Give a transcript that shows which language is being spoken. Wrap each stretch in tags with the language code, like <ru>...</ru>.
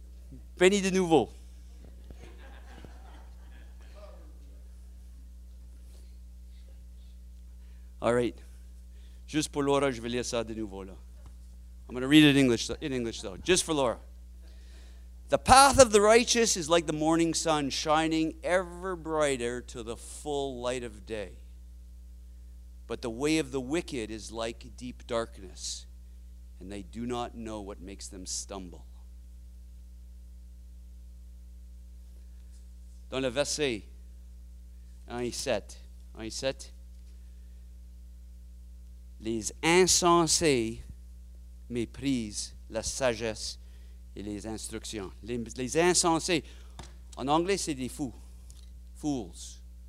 <fr>Ha! Béni de nouveau.</fr> <en>All right. Just for Laura,</en> <fr>je vais lire ça de nouveau là.</fr> <en>I'm going to read it in English though. Just for Laura. The path of the righteous is like the morning sun shining ever brighter to the full light of day. But the way of the wicked is like deep darkness, and they do not know what makes them stumble.</en> <fr>Dans le verset 1 et 7, les insensés méprisent la sagesse et les instructions. Les insensés, en anglais, c'est des fous, fools.</fr>